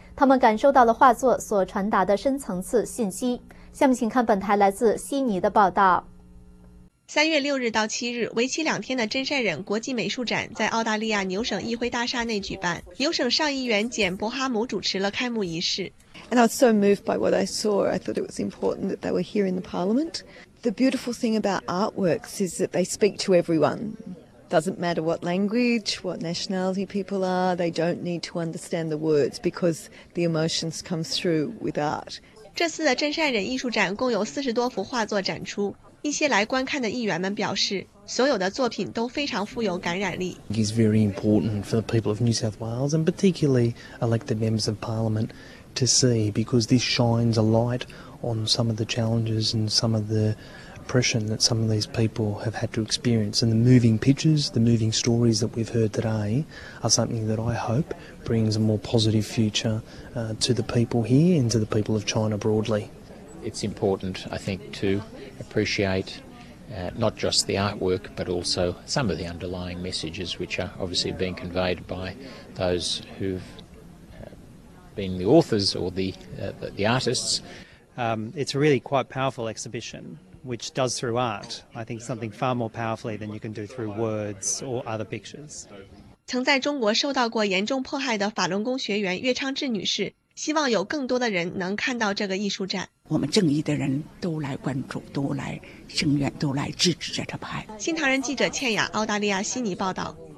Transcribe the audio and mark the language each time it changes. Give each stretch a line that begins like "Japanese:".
Chinese: 他们感受到了画作所传达的深层次信息。下面请看本台来自悉尼的报道。 3月6日到7日，为期两天的真善忍国际美术展在澳大利亚纽省议会大厦内举办。纽省上议员简·伯哈姆主持了开幕仪式。
English: And I was so moved by what I saw. I thought it was important that they were here in the Parliament. The beautiful thing about artworks is that they speak to everyone. Doesn't matter what language, what nationality people are, they don't need to understand the words because the emotions come through with art.
Chinese: 这次的真善忍艺术展共有40多幅画作展出。一些来观看的议员们表示，所有的作品都非常富有感染力。
English: It's very important for the people of New South Wales and particularly elected members of Parliament. To see, because this shines a light on some of the challenges and some of the oppression that some of these people have had to experience. And the moving pictures, the moving stories that we've heard today are something that I hope brings a more positive future, to the people here and to the people of China broadly. It's important, I think, to appreciate, not just the artwork, but also some of the underlying messages which are obviously being conveyed by those who've. Being the authors or the artists. It's a really quite powerful exhibition, which does through art, I think, something far more powerfully than you can do through words or other pictures.
Chinese: 曾在中国受到过严重迫害的法轮功学员岳昌志女士希望有更多的人能看到这个艺术展。我们正义的人都来关注，都来声援，都来支持这场派。新唐人记者倩雅，澳大利亚悉尼报道。